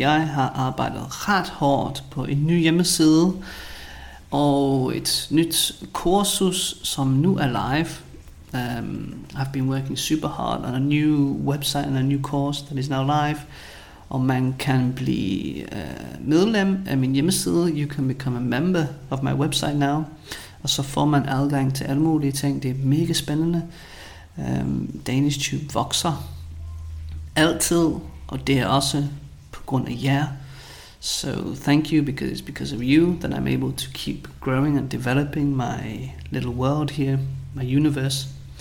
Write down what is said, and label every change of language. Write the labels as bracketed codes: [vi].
[da] Jeg har arbejdet ret hårdt på en ny hjemmeside og et nyt kursus, som nu er live. [en] I've been working super hard on a new website and a new course that is now live. [da] Og man kan blive medlem af min hjemmeside. [en] You can become a member of my website now. [da] Og så får man adgang til alle mulige ting. Det er mega spændende. DanishTube vokser altid, og det er også på grund af jer. [en] So thank you, because it's because of you that I'm able to keep growing and developing my little world here, my universe.